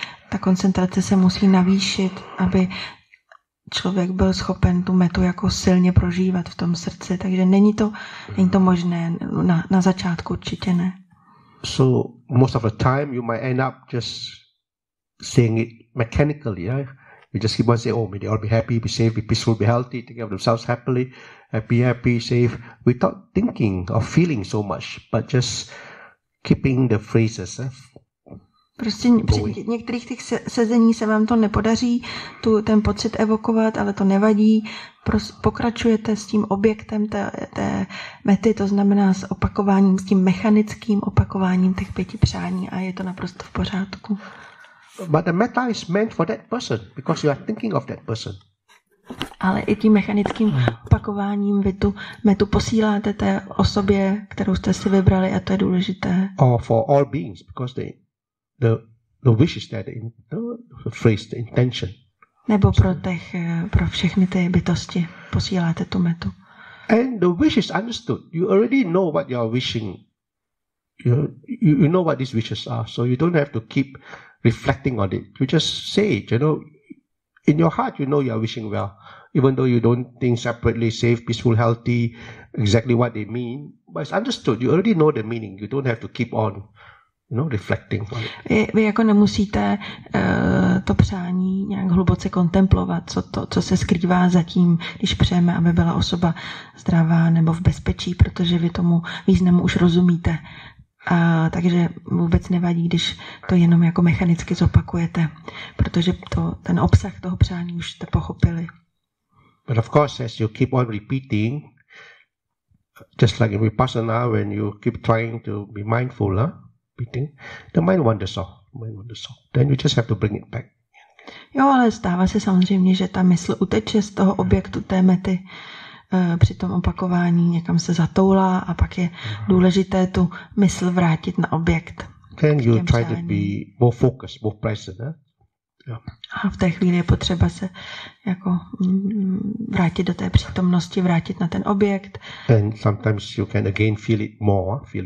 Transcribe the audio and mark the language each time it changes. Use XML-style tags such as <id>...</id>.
<cs>Ta koncentrace se musí navýšit, aby člověk byl schopen tu metu jako silně prožívat v tom srdci. Takže není to možné na začátku, určitě ne.</cs> <en>So most of the time you might end up just saying it mechanically, yeah? You just keep on saying, oh, may they all be happy, be safe, be peaceful, be healthy, take care of themselves happily, happy, safe, without thinking or feeling so much, but just keeping the phrases.</en> <cs>Prostě při některých těch sezení se vám to nepodaří, ten pocit evokovat, ale to nevadí. Pokračujete s tím objektem té mety, to znamená s opakováním, s tím mechanickým opakováním těch pěti přání, a je to naprosto v pořádku.</cs> <en>But the meta is meant for that person because you are thinking of that person.</en> <cs>Ale i tím mechanickým opakováním vy tu metu posíláte té osobě, kterou jste si vybrali, a to je důležité.</cs> <en>Or for all beings because the wish is there, the phrase, the intention.</en> <cs>Nebo pro všechny ty bytosti posíláte tu metu.</cs> <en>And the wish is understood. You already know what you are wishing. You know what these wishes are, so you don't have to keep reflecting on it. You just say it, you know, in your heart you know you are wishing well, even though you don't think separately, safe, peaceful, healthy, exactly what they mean, but it's understood, you already know the meaning, you don't have to keep on, you know, reflecting on it.</en> <cs>Vy jako nemusíte to přání nějak hluboce kontemplovat, co se skrývá za tím, když přejeme, aby byla osoba zdravá nebo v bezpečí, protože vy tomu významu už rozumíte. Takže vůbec nevadí, když to jenom jako mechanicky zopakujete, protože ten obsah toho přání už jste pochopili.</cs> <en>But of course, as you keep on repeating, just like in Vipassana, when you keep trying to be mindful, repeating, the mind wanders off, Then you just have to bring it back.</en> <cs>Jo, ale stává se samozřejmě, že ta mysl uteče z toho objektu té mety. Při tom opakování někam se zatoulá a pak je důležité tu mysl vrátit na objekt.</cs> <en>Can you try to be more focused, more present?</en> <cs>A v té chvíli je potřeba se jako vrátit do té přítomnosti, vrátit na ten objekt.</cs> <en>And sometimes you can again feel it more.</en>